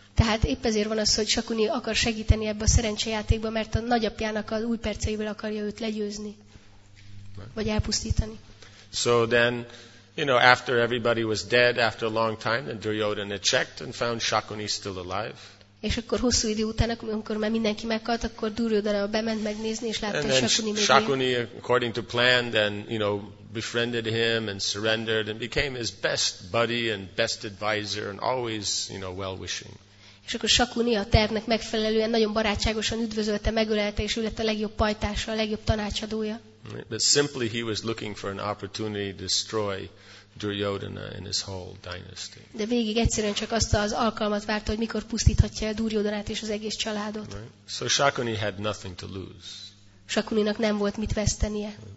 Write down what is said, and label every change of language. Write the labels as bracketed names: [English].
[Hungarian] Tehát épp ezért van az, hogy Shakuni akar segíteni ebbe a szerencsejátékba, mert a nagyapjának az új perceivel akarja őt legyőzni, vagy elpusztítani. [English] So then, you know, after everybody was dead after a long time, then Duryodhana checked and found Shakuni still alive. [Hungarian] És akkor hosszú idő után, amikor már mindenki meghalt, akkor Duryodhana bement megnézni és látta, hogy Shakuni még él. [English] Shakuni, according to plan, then, you know, befriended him and surrendered and became his best buddy and best advisor and always, you know, well-wishing. [Hungarian] És akkor Shakuni a tervnek megfelelően nagyon barátságosan üdvözölte, megölelte, és ő lett a legjobb pajtása, a legjobb tanácsadója. [English] But simply he was looking for an opportunity to destroy Duryodhana and his whole dynasty. [Hungarian] De végig egyszerűen csak azt az alkalmat várta, hogy mikor pusztíthatja el Duryodhanát és az egész családot. [English] Right. So Shakuni had nothing to lose. [Hungarian] Shakuninak nem volt mit vesztenie.